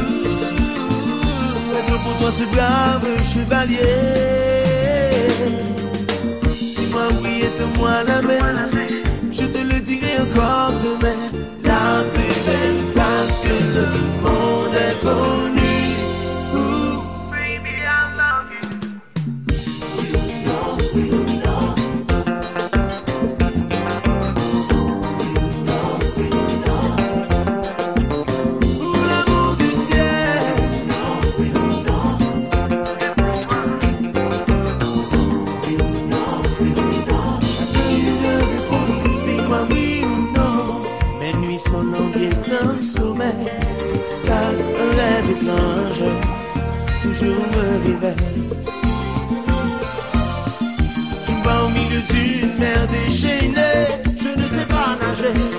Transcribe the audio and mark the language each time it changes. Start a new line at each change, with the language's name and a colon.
French: Être pour toi ce brave chevalier. Dis-moi oui et donne-moi la main. Je te le dirai encore demain. La plus belle phrase que le monde ait connue. Ooh,
English: baby, I love you. You know, you know. You know, you know. Ooh,
French: l'amour du ciel.
English: You know, you know. You know, you know.
French: Chaque nuit de réponse, dis-moi oui ou non. Mes nuits sont longues et sans sommeil. Car un rêve étrange toujours me réveille. D'une mer déchaînée, je ne sais pas nager.